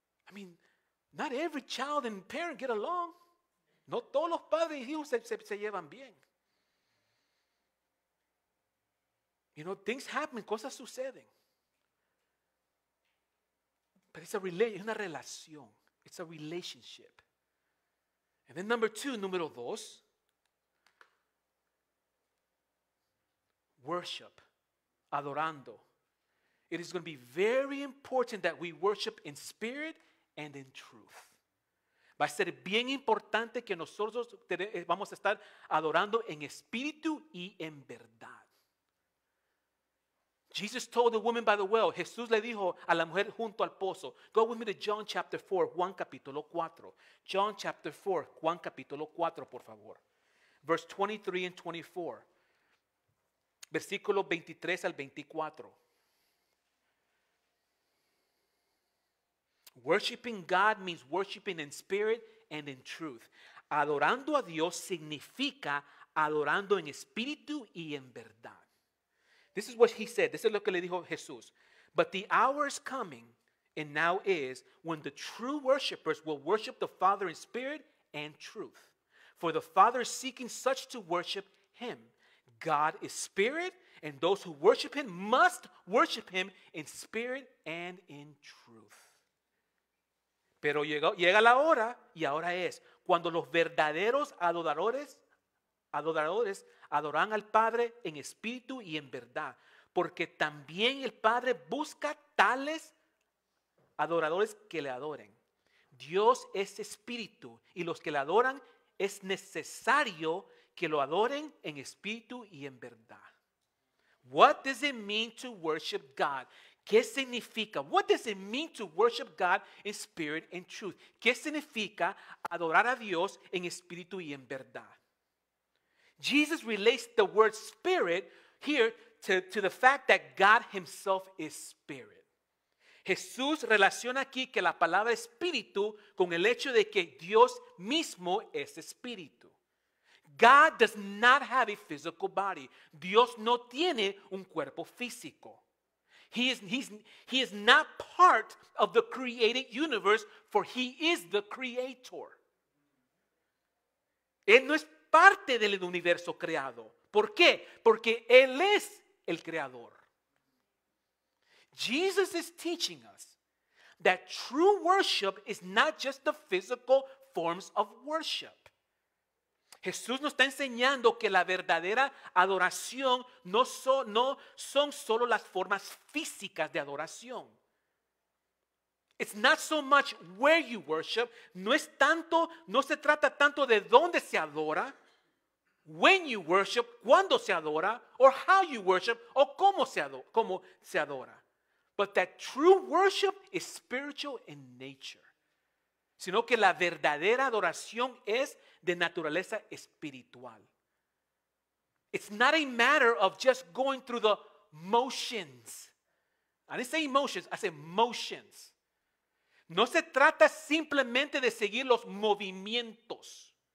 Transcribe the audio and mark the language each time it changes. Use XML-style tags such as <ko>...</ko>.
<en>I mean, not every child and parent get along.</en> <es>No todos los padres y hijos se llevan bien.</es> <en>You know, things happen.</en> <es>Cosas suceden.</es> <en>But it's a relation,</en> <es>una relación.</es> <en>It's a relationship. And then</en> <es>número dos,</es> <en>worship, adorando. It is going to be very important that we worship in spirit and in truth.</en> <es>Va a ser bien importante que nosotros vamos a estar adorando en espíritu y en verdad.</es> <en>Jesus told the woman by the well,</en> <es>Jesús le dijo a la mujer junto al pozo,</es> <en>go with me to John chapter 4,</en> <es>Juan capítulo 4.</es> <en>John chapter 4,</en> <es>Juan capítulo 4, por favor.</es> <en>Verse 23 and 24.</en> <es>Versículo 23 al 24.</es> <en>Worshiping God means worshiping in spirit and in truth.</en> <es>Adorando a Dios significa adorando en espíritu y en verdad.</es> <en>This is what he said. This is</en> <es>lo que le dijo Jesús.</es> <en>But the hour is coming, and now is, when the true worshipers will worship the Father in spirit and truth. For the Father is seeking such to worship Him. God is spirit, And those who worship him must worship him in spirit and in truth.</en> <es>Pero llega la hora, y ahora es, cuando los verdaderos adoradores adoran al Padre en espíritu y en verdad. Porque también el Padre busca tales adoradores que le adoren. Dios es espíritu, y los que le adoran es necesario que lo adoren en espíritu y en verdad.</es> <en>What does it mean to worship God?</en> <es>¿Qué significa?</es> <en>What does it mean to worship God in spirit and truth?</en> <es>¿Qué significa adorar a Dios en espíritu y en verdad?</es> <en>Jesus relates the word spirit here to the fact that God himself is spirit.</en> <es>Jesús relaciona aquí que la palabra espíritu con el hecho de que Dios mismo es espíritu.</es> <en>God does not have a physical body.</en> <es>Dios no tiene un cuerpo físico.</es> <en>He is not part of the created universe, for he is the creator.</en> <es>Él no es parte del universo creado. ¿Por qué? Porque él es el creador.</es> <en>Jesus is teaching us that true worship is not just the physical forms of worship.</en> <es>Jesús nos está enseñando que la verdadera adoración no son solo las formas físicas de adoración.</es> <en>It's not so much where you worship.</en> <es>No se trata tanto de dónde se adora,</es> <en>when you worship,</en> <es>cuándo se adora,</es> <en>or how you worship,</en> <es>o cómo se adora.</es> <en>But that true worship is spiritual in nature.</en> <es>Sino que la verdadera adoración es de naturaleza espiritual.</es> <en>It's not a matter of just going through the motions. I didn't say emotions, I said motions.</en> <es>No se trata simplemente de seguir los movimientos.</es>